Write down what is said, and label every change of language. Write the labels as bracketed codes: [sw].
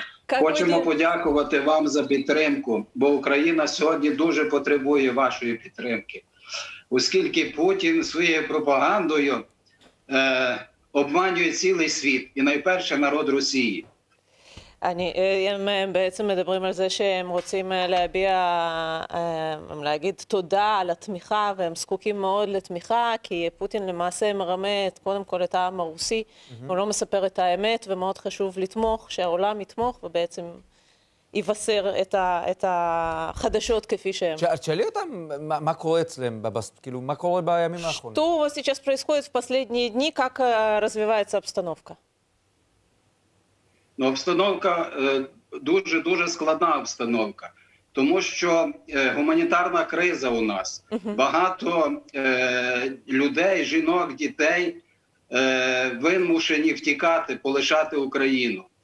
[uk] Хочемо подякувати вам за підтримку, бо Україна сьогодні дуже потребує вашої підтримки. Оскільки Путін своєю пропагандою обманює цілий світ і найперше народ Росії. [he] אני, הם בעצם מדברים על זה שהם רוצים להביע, הם להגיד תודה על התמיכה, והם זקוקים מאוד לתמיכה, כי פוטין למעשה מרמה את, קודם כל את העם הרוסי, הוא לא מספר את האמת, ומאוד חשוב לתמוך, שהעולם יתמוך, ובעצם יבשר את, את החדשות כפי שהם. שאלי אותם, מה קורה אצלם, כאילו, מה קורה בימים האחרונים? [ru] Что у вас сейчас происходит в последние дни, как развивается обстановка? [uk] Ну, обстановка дуже-дуже складна обстановка, тому що гуманітарна криза у нас. Багато людей, жінок, дітей вимушені втікати, полишати Україну.